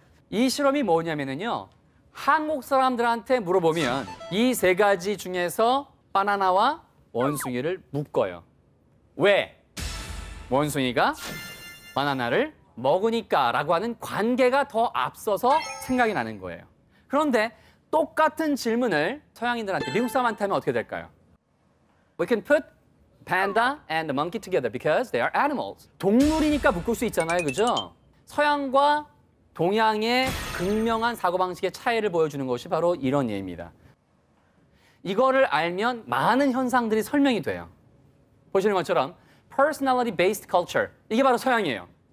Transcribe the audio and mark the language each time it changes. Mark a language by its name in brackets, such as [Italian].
[Korean] 이 실험이 뭐냐면요. 한국 사람들한테 물어보면 이 세 가지 중에서 바나나와 원숭이를 묶어요. 왜? 원숭이가 바나나를 먹으니까 라고 하는 관계가 더 앞서서 생각이 나는 거예요. 그런데 똑같은 질문을 서양인들한테, 미국 사람한테 하면 어떻게 될까요? [English] We can put panda and monkey together because they are animals. [Korean] 동물이니까 묶을 수 있잖아요, 그죠? 서양과 동양의 극명한 사고방식의 차이를 보여주는 것이 바로 이런 예입니다. 이거를 알면 많은 현상들이 설명이 돼요. 보시는 것처럼 [English] personality based culture, [Korean] 이게 바로 서양이에요.